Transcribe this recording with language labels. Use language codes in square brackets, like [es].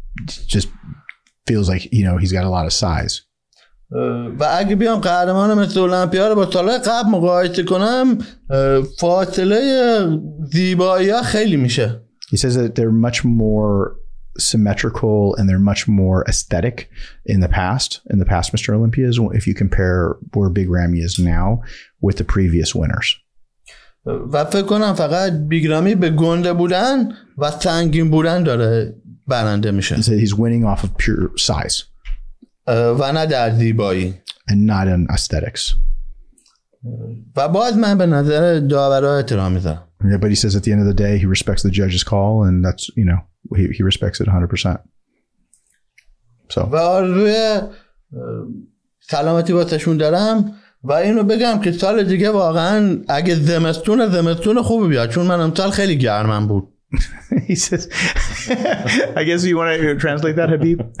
[en] just feels like, you know, he's got a lot of size. [fa] و اگه بیام قهرمان مثل المپیا رو با سال قبل مقایسه کنم فاصله زیبایی ها خیلی میشه. [en] He says that they're much more symmetrical and they're much more aesthetic in the past Mr. Olympias, if you compare where Big Ramy is now with the previous winners. [fa] و فکر کنم فقط بیگ رامی به گنده بودن و سنگین بودن داره برنده میشه. [en] He said he's winning off of pure size. [fa] و نه در زیبایی. [en] And not in aesthetics. [fa] و باز من به نظر داورها احترام میذارم. [en] Yeah, but he says at the end of the day, he respects the judge's call, and that's, you know, he respects it 100%. So. [fa] و آرزوی سلامتی واسشون دارم و اینو بگم که سال دیگه واقعا اگه زمستون زمستون خوب بیاد چون من امسال خیلی گرمم بود. [en] He says, I guess you want to translate that, Habib?